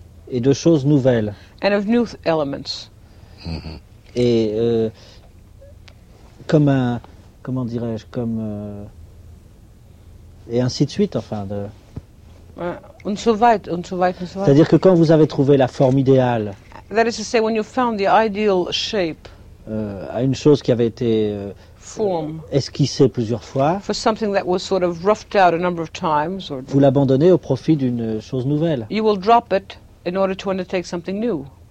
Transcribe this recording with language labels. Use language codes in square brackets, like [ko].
[fr] et de choses nouvelles [en] and of new elements [fr] et comme un comment dirais-je comme et ainsi de suite enfin de [en] On survive. [fr] C'est-à-dire que quand vous avez trouvé la forme idéale. [en] That is to say, when you found the ideal shape. [fr] À une chose qui avait été [en] form [fr] esquissée plusieurs fois. [en] For something that was sort of roughed out a number of times. Or [fr] vous l'abandonnez au profit d'une chose nouvelle. [en] You will drop it in order to undertake something new.